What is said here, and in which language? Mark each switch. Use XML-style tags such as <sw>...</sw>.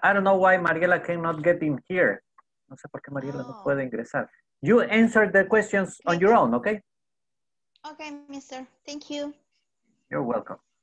<en>I don't know why Mariela cannot get in here.</en> <es>No sé por qué Mariela no puede ingresar.</es> <en>You answer the questions on your own, okay? Okay, mister. Thank you. You're welcome.</en>